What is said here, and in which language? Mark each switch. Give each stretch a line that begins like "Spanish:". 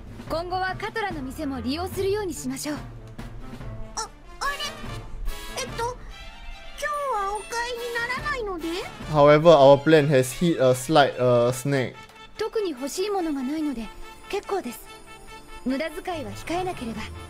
Japanese: 今後はカトラの店も利用するようにしましょう。あ、あれ、今日はお帰りにならないので。
English: However, our plan has hit a slight snag.
Japanese: 特に欲しいものがないので結構です。無駄遣いは控えなければ。